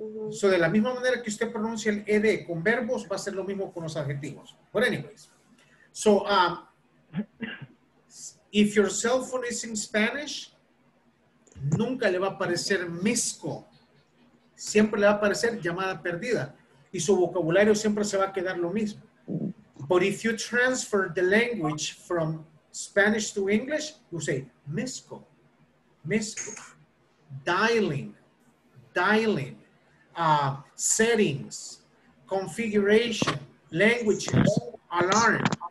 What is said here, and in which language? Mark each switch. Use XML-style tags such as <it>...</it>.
<es>So de la misma manera que usted pronuncia el ed con verbos, va a ser lo mismo con los adjetivos.</es> <en>But anyways, so if your cell phone is in Spanish,</en> <es>nunca le va a aparecer</es> <en>missed call.</en> <es>Siempre le va a aparecer llamada perdida. Y su vocabulario siempre se va a quedar lo mismo.</es> <en>But if you transfer the language from Spanish to English, you say missed call, missed call. Dialing, dialing, settings, configuration, languages, alarm.</en>